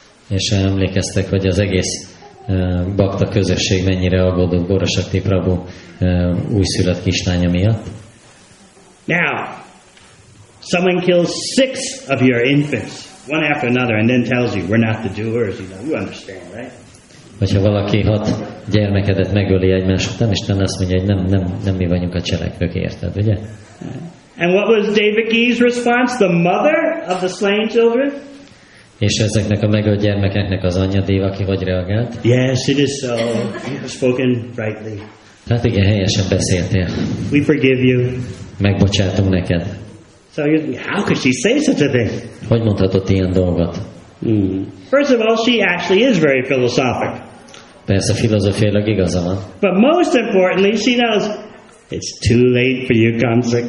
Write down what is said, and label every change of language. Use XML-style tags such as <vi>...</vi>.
<hu>És emlékeztek, hogy az egész bakta közösség mennyire aggódott Guru Shakti Prabhu újszülött kislánya miatt.</hu> <en>Now, someone kills six of your infants, one after another, and then tells you, we're not the doers, you know, you understand, right?</en> <hu>Hogyha valaki hat gyermekedet megöli egymás után, Isten azt mondja, hogy nem mi vagyunk a cselekvők, érted, ugye?</hu> <en>And what was Devaki's response, the mother of the slain children?</en> <hu>És ezeknek a megölt gyermekeknek az anyja Devaki hogy reagált?</hu> <en>Yes, it is so. You have spoken rightly.</en> <hu>Hát igen, helyesen beszéltél.</hu> <en>We forgive you.</en> <hu>Megbocsátunk neked.</hu> <en>So you, how could she say such a thing?</en> <hu>Hogy mondhatott ilyen dolgot?</hu> <en>First of all, she actually is very philosophic.</en> <hu>Persze, filozófiailag igaza van.</hu> <en>But most importantly, she knows it's too late for you, Kamsa.</en>